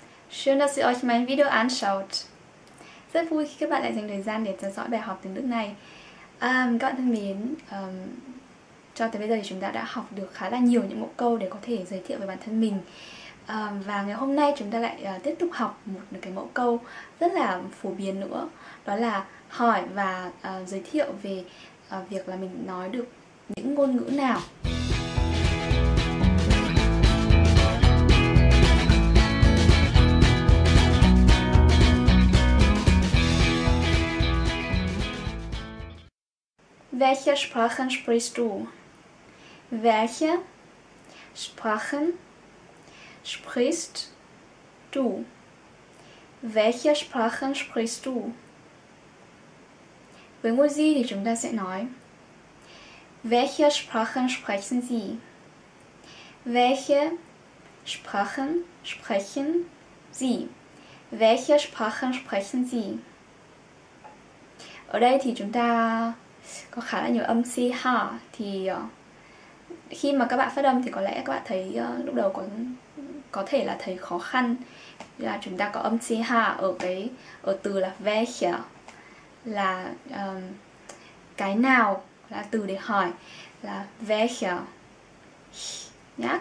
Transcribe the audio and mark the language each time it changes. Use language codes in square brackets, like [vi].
[de] Schön, dass ihr euch mein Video anschaut. [vi] Sehr vui khi các bạn lại dành thời gian để theo dõi bài học tiếng Đức này. Các bạn thân mến, cho tới bây giờ thì chúng ta đã học được khá là nhiều những mẫu câu để có thể giới thiệu về bản thân mình. Và ngày hôm nay chúng ta lại tiếp tục học một cái mẫu câu rất là phổ biến nữa. Đó là hỏi và giới thiệu về việc là mình nói được những ngôn ngữ nào. [de] Welche Sprachen sprichst du? Welche Sprachen sprichst du? Welche Sprachen sprichst du? [vi] Với ngôn gì thì chúng ta sẽ nói. [de] Welche Sprachen sprechen Sie? Welche Sprachen sprechen Sie? Welche Sprachen sprechen Sie? [vi] Ở đây thì chúng ta có khá là nhiều âm si ha. Thì khi mà các bạn phát âm thì có lẽ các bạn thấy lúc đầu có thể là thấy khó khăn là chúng ta có âm si ha ở từ là welche, là cái nào, là từ để hỏi là welche nhá.